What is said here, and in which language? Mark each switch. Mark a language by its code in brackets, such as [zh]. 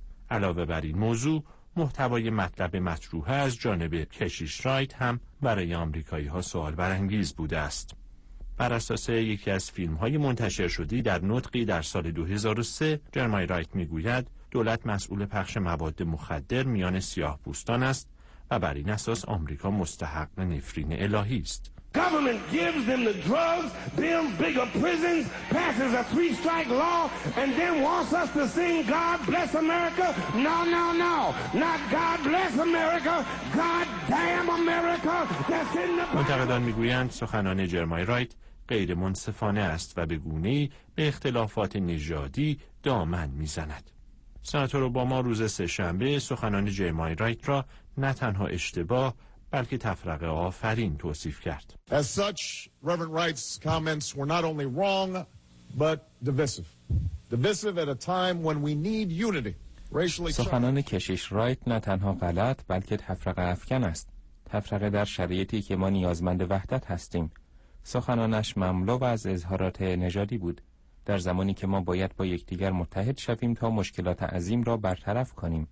[fa] علاوه بر این موضوع، محتوای مطلب مطروح از جانب کشیش رایت هم برای آمریکایی ها سوال برانگیز بوده است. بر اساس یکی از فیلم های منتشر شده در نطقی در سال 2003، جرمای رایت می گوید دولت مسئول پخش مواد مخدر میان سیاه پوستان است و بر این اساس آمریکا مستحق نفرین الهی است. [en] Government gives them the drugs, builds bigger prisons, passes a three-strike law, and then wants us to sing God bless America? No, no, no. Not God bless America. God damn America. That's in the Bible. [fa] منتقدان میگویند سخنان جرمای رایت غیر منصفانه است و به گونه‌ای به اختلافات نژادی دامن میزند. سناتور اوباما روز سه‌شنبه سخنان جرمای رایت را نه تنها اشتباه بلکه تفرقه آفرین توصیف کرد. [en] As such, Reverend Wright's comments were not only wrong but divisive. Divisive at a time when we need unity. [fa] سخنان کشیش رایت نه تنها غلط بلکه تفرقه افکن است. تفرقه در شرایطی که ما نیازمند وحدت هستیم. سخنانش مملو از اظهارات نژادی بود. در زمانی که ما باید با یکدیگر متحد شویم تا مشکلات عظیم را برطرف کنیم.